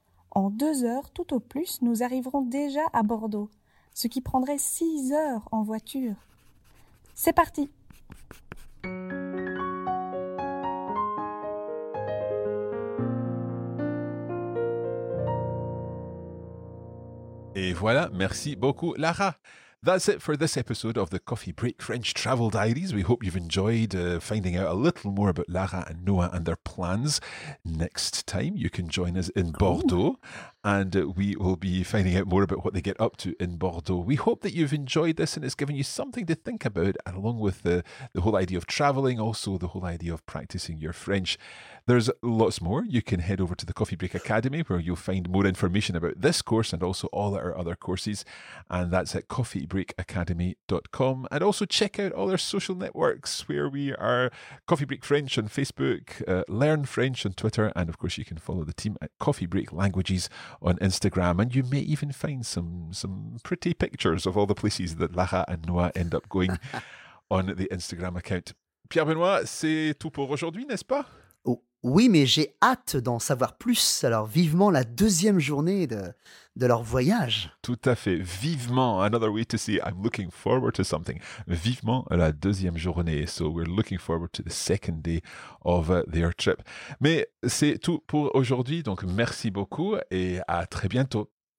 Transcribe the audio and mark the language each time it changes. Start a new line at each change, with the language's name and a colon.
French: En 2 heures, tout au plus, nous arriverons déjà à Bordeaux, ce qui prendrait 6 heures en voiture. C'est parti! Et voilà, merci beaucoup, Lara.
English: That's it for this episode of the Coffee Break French Travel Diaries. We hope you've enjoyed finding out a little more about Lara and Noah and their plans. Next time, you can join us in Bordeaux. And we will be finding out more about what they get up to in Bordeaux. We hope that you've enjoyed this and it's given you something to think about, and along with the whole idea of travelling, also the whole idea of practising your French. There's lots more. You can head over to the Coffee Break Academy, where you'll find more information about this course and also all our other courses. And that's at coffeebreakacademy.com. And also check out all our social networks, where we are Coffee Break French on Facebook, Learn French on Twitter, and of course you can follow the team at Coffee Break Languages on Instagram, and you may even find some pretty pictures of all the places that Lara and Noah end up going on the Instagram account.
French: Pierre-Benoît, c'est tout pour aujourd'hui, n'est-ce pas? Oh, oui, mais j'ai hâte d'en savoir plus. Alors vivement la deuxième journée de leur voyage. Tout à fait, vivement.
English: Another way to say I'm looking forward to something.
French: Vivement la deuxième journée.
English: So we're looking forward to the second day of their trip.
French: Mais c'est tout pour aujourd'hui. Donc merci beaucoup et à très bientôt.